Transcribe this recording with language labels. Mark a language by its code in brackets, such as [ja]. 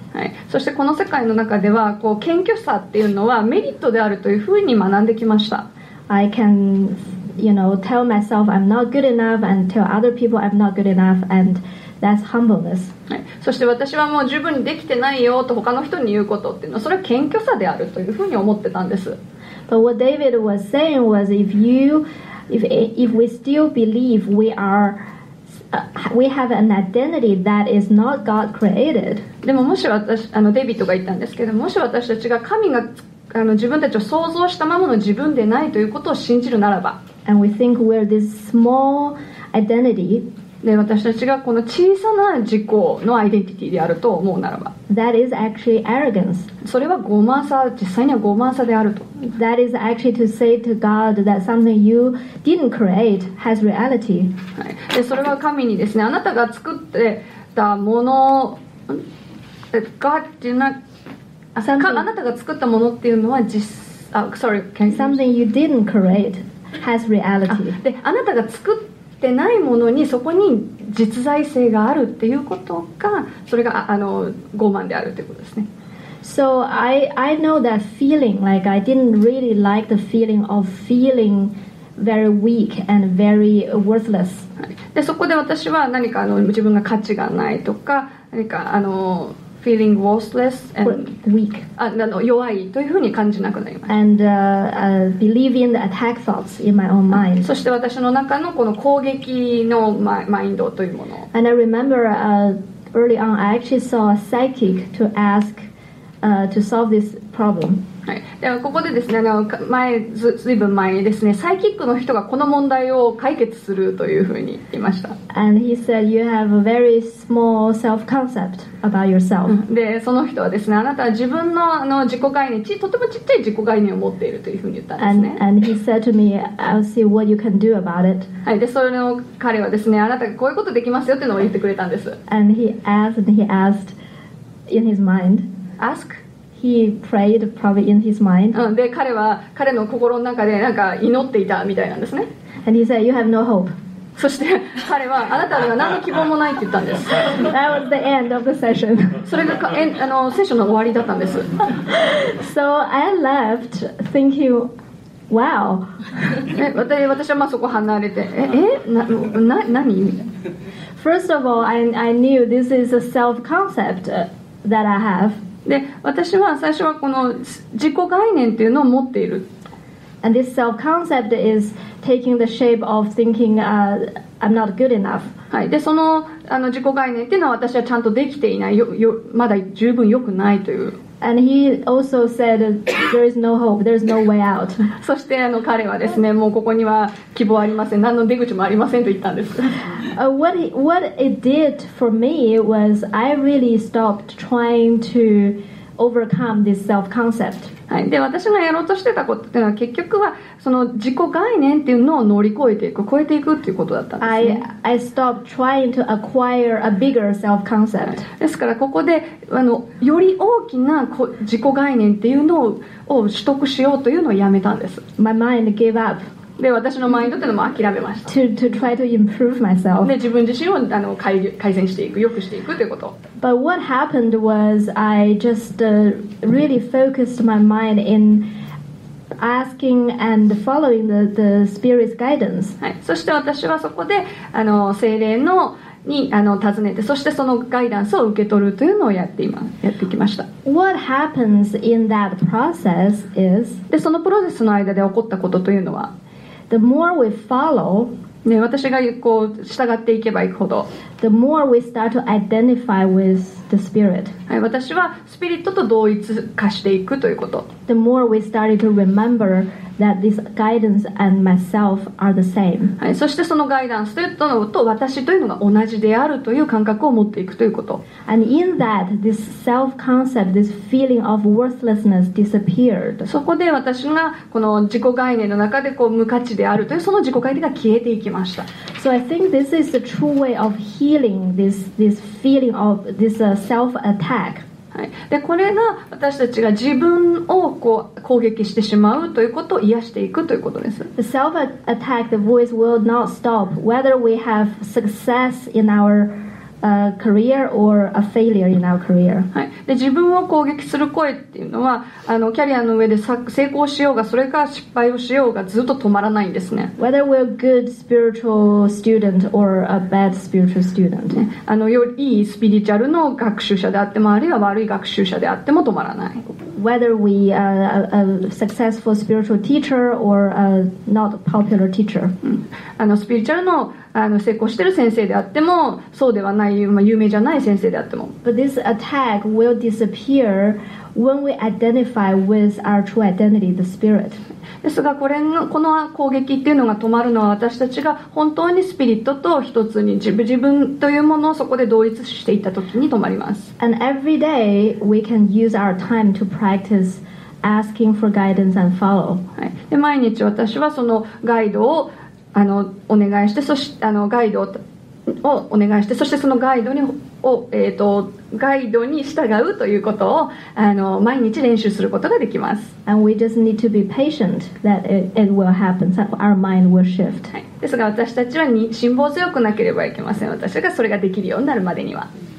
[ja] はい、そしてこの世界の中ではこう謙虚さっていうのはメリットであるというふうに学んできました。 [en] I canYou know, tell myself I'm not good enough, and tell other people I'm not good enough, and that's humbleness. [ja] そして私はもう十分にできてないよと他の人に言うことっていうのは、それは謙虚さであるというふうに思ってたんです。 [en] But what David was saying was, if we still believe we have an identity that is not God created. [ja] でももし私あのデイビッドが言ったんですけど、もし私たちが神があの自分たちを創造したままの自分でないということを信じるならば。 [en] And we think we're this small identity. [ja] で、私たちがこの小さな自己のアイデンティティであると思うならば、 [en] that is actually arrogance. [ja] それは傲慢さ、実際には傲慢さであると。 [en] That is actually to say to God that something you didn't create has reality. [ja] はい。で、それは神にですね、あなたが作ってたもの、 [en] God did not, something... [ja] あなたが作ったものっていうのは実、あ、 [en] sorry, can you... something you didn't create. Has reality. [ja] で、あなたが作ってないものにそこに実在性があるっていうことが、それがあの傲慢であるということですね。 [en] So I know that feeling. Like I didn't really like the feeling of feeling very weak and very worthless. [ja] で、そこで私は何かあの自分が価値がないとか何かあの [en] feeling worthless and weak [ja] あの弱いというふうに感じなくなります。 [en] And believe in the attack thoughts in my own mind. [ja] そして私の中のこの攻撃のマインドというもの。 [en] And I remember early on, I actually saw a psychic to ask to solve this problem. [ja] はい、ではここでですね、前ずいぶん前にですね、サイキックの人がこの問題を解決するというふうに言っていました。 [en] And he said you have a very small self-concept about yourself. [ja] で、その人はですね、あなたは自分の、自己概念、とてもちっちゃい自己概念を持っているというふうに言ったんですね。 [en] And he said to me, I'll see what you can do about it. [ja] はい、で、それの彼はですね、あなたがこういうことできますよっていうのを言ってくれたんです。 [en] And he asked, in his mind. Ask? He prayed probably in his mind. [ja] で彼は彼の心の中でなんか祈っていたみたいなんですね。 [en] And he said, "You have no hope." [ja] そして彼はあなたには何の希望もないって言ったんです。 [en] That was the end of the session. [ja] それがセッションの終わりだったんです。 [en] So I left thinking, "Wow." [ja] 私はまあそこ離れて、何？ [en] First of all, I knew this is a self-concept that I have. [ja] で私は最初はこの自己概念っていうのを持っている。 [en] And this self-concept is taking the shape of thinking, I'm not good enough. [ja] はい。でその自己概念っていうのは私はちゃんとできていない。まだ十分良くないという。 [en] And he also said there is no hope, there is no way out. [ja] そして彼はですね、もうここには希望ありません、何の出口もありませんと言ったんです。 [en] What it did for me was I really stopped trying to overcome this self-concept. [ja] はい、で私がやろうとしてたことっていうのは結局はその自己概念っていうのを乗り越えていく、超えていくっていうことだったんですね。 [en] I stopped trying to acquire a bigger self-concept. [ja] ですからここでより大きな自己概念っていうのを取得しようというのをやめたんです。 [en] My mind gave up. [ja] で私のマインドというのも諦めました。 [en] To try to improve myself. [ja] で自分自身を改善していく、良くしていくということ。 [en] But what happened was I just really focused my mind in asking and following the spirit's guidance. [ja] はい。そして私はそこで精霊のに尋ねて、そしてそのガイダンスを受け取るというのをやってきました。 [en] What happens in that process is [ja] でそのプロセスの間で起こったことというのは。 [en] The more we follow, [ja] ね、私がこう従っていけばいくほど [en] the more we start to identify with the spirit.、 [ja] はい、私はスピリットと同一化していくということ [en] the more we started to remember that this guidance and myself are the same.、 [ja] はい、そしてそのガイダンスというのと私というのが同じであるという感覚を持っていくということ [en] and in that this self-concept this feeling of worthlessness disappeared [ja] そこで私がこの自己概念の中でこう無価値であるというその自己概念が消えていきました [en] so I think this is the true way of healing this feeling of this self-attack、 [ja] はい、でこれが私たちが自分をこう攻撃してしまうということを癒していくということです [en] the self-attack the voice will not stop whether we have success in ourcareer or a failure in our career. [ja] はい。で、自分を攻撃する声っていうのは、キャリアの上で成功しようが、それか失敗をしようが、ずっと止まらないんですね。 [en] Whether we're a good spiritual student or a bad spiritual student. [ja] ね、より良いスピリチュアルの学習者であっても、あるいは悪い学習者であっても止まらない。 [en] Whether we are a successful spiritual teacher or a not popular teacher. [ja] スピリチュアルの成功してる先生であってもそうではない、まあ、有名じゃない先生であっても [en] But this attack will disappear when we identify with our true identity, the spirit. [ja] ですがこの攻撃っていうのが止まるのは私たちが本当にスピリットと一つに自分というものをそこで同一していった時に止まります [en] And every day we can use our time to practice asking for guidance and follow、 [ja] はい、で毎日私はそのガイドをお願いして、そしてガイドをお願いして、そしてそのガイドにを、ガイドに従うということを毎日練習することができます。 [en] And we just need to be patient that it will happen. So our mind will shift.、 [ja] はい、ですが私たちは辛抱強くなければいけません。私がそれができるようになるまでには。